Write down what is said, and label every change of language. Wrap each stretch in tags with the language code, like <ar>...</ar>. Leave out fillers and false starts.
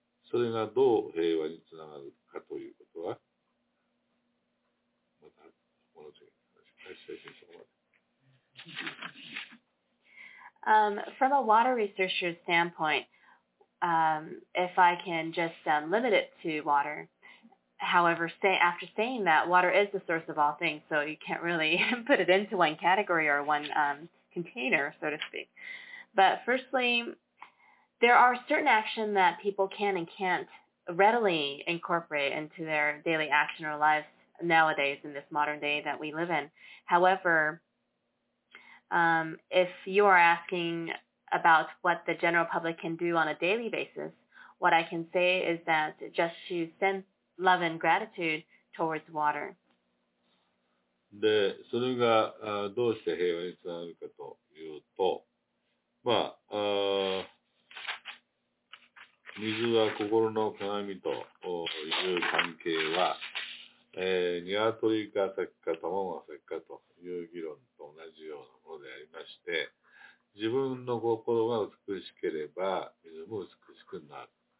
<ja>それがどう平和につながるかということは、また、この次の話、最初にそこまで。</ja> <en>From a water researcher's standpoint, if I can just limit it to water, however, after saying that, water is the source of all things, so you can't really put it into one category or one container, so to speak. But firstly, there are certain actions that people can and can't readily incorporate into their daily action or lives nowadays in this modern day that we live in. However, if you are asking about what the general public can do on a daily basis, what I can say is that just to send love and gratitude towards water.</en> <ja>で、それがどうして平和につながるかというと、まあ、水は心の鏡という関係は、鶏か石か卵が石かという議論と同じようなものでありまして、自分の心が美しければ水も美しくなる。</ja>